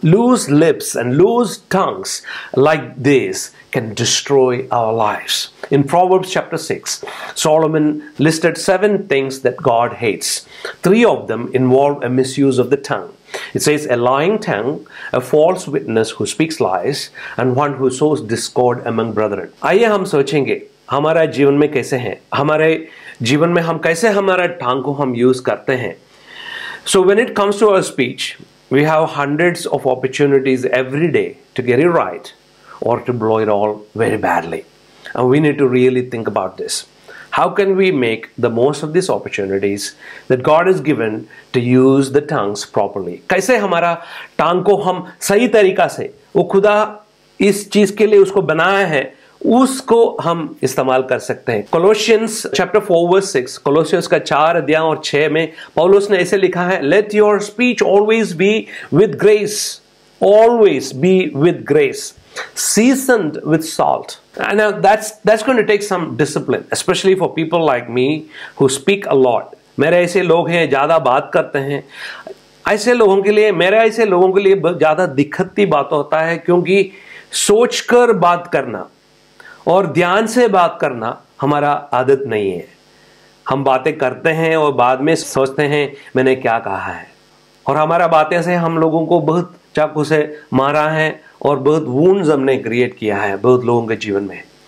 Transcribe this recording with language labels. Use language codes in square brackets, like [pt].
[en] Loose lips and loose tongues like this can destroy our lives. In Proverbs chapter 6, Solomon listed 7 things that God hates. 3 of them involve a misuse of the tongue. It says, a lying tongue, a false witness who speaks lies, and one who sows discord among brethren. [hi] आइए हम सोचेंगे हमारा जीवन में कैसे हैं, हमारे जीवन में हम कैसे हमारा टांग को हम यूज करते हैं. [en] So when it comes to our speech, we have hundreds of opportunities every day to get it right or to blow it all very badly. And we need to really think about this. How can we make the most of these opportunities that God has given to use the tongues properly? [hi] कैसे हमारा टांग को हम सही तरीका से वो खुदा इस चीज के लिए उसको बनाया है उसको हम इस्तेमाल कर सकते हैं. [en] Colossians chapter 4 verse 6, [hi] Colossians का 4 अध्याय और 6 में पौलुस ने ऐसे लिखा है, [en] let your speech always be with grace, always be with grace, seasoned with salt. And now that's going to take some discipline, especially for people like me who speak a lot. [hi] मेरे ऐसे लोग हैं ज़्यादा बात करते हैं. ऐसे लोगों के लिए मेरे ऐसे लोगों के लिए ज़्यादा दिक्कती बात होता है क्योंकि सोचकर बात करना और ध्यान से बात करना हमारा आदत नहीं है. हम बातें करते हैं और बाद में सोचते हैं मैंने क्या कहा है और हमारा बातें से हम लोगों को बहुत चाकू से मारा है और बहुत वूंड्स हमने क्रिएट किया है बहुत लोगों के जीवन में.